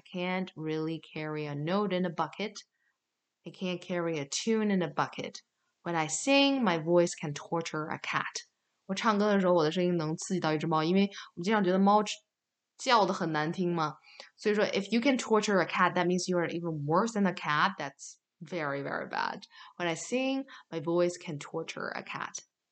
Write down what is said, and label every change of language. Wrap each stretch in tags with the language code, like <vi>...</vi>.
<en>I can't really carry a note in a bucket. I can't carry a tune in a bucket. When I sing, my voice can torture a cat.</en> <zh>我唱歌的时候，我的声音能刺激到一只猫，因为我们经常觉得猫叫得很难听嘛。所以说，</zh> <en>if you can torture a cat, that means you are even worse than a cat. That's very, very bad. When I sing, my voice can torture a cat.</en>